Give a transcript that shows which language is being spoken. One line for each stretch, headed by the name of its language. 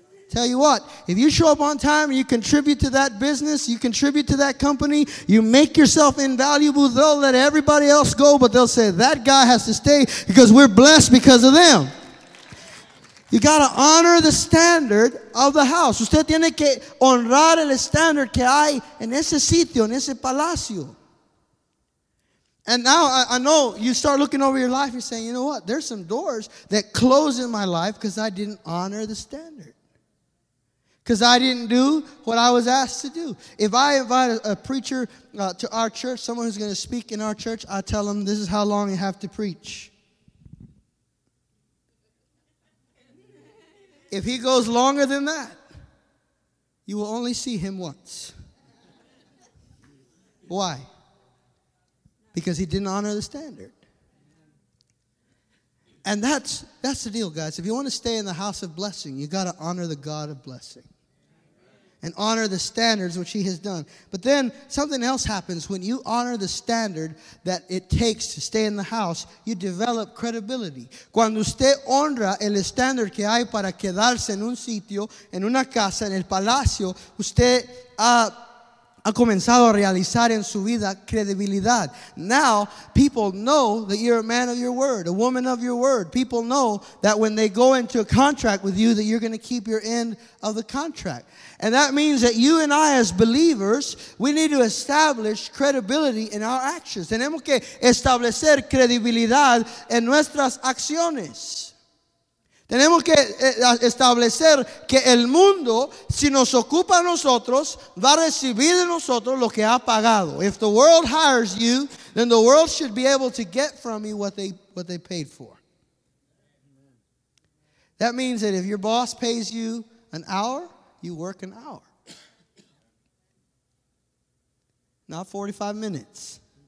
English: Tell you what, if you show up on time and you contribute to that business, you contribute to that company, you make yourself invaluable, they'll let everybody else go, but they'll say, that guy has to stay because we're blessed because of them. You got to honor the standard of the house.
Spanish: Usted tiene que honrar el estándar que hay en ese sitio, en ese palacio.
English: And now I know you start looking over your life and saying, you know what, there's some doors that close in my life because I didn't honor the standard. Because I didn't do what I was asked to do. If I invite a preacher to our church, someone who's going to speak in our church, I tell them this is how long you have to preach. If he goes longer than that, you will only see him once. Why? Because he didn't honor the standard. And that's the deal, guys. If you want to stay in the house of blessing, you got to honor the God of blessing. And honor the standards which he has done. But then something else happens. When you honor the standard that it takes to stay in the house, you develop credibility.
Spanish: Cuando usted honra el estándar que hay para quedarse en un sitio, en una casa, en el palacio, usted ha comenzado a realizar en su vida credibilidad.
English: Now, people know that you're a man of your word, a woman of your word. People know that when they go into a contract with you, that you're going to keep your end of the contract. And that means that you and I, as believers, we need to establish credibility in our actions.
Spanish: Tenemos que establecer credibilidad en nuestras acciones. Tenemos que establecer que el mundo, si nos ocupa a nosotros, va a recibir de nosotros lo que ha pagado.
English: If the world hires you, then the world should be able to get from you what they paid for. That means that if your boss pays you an hour, you work an hour. Not 45 minutes.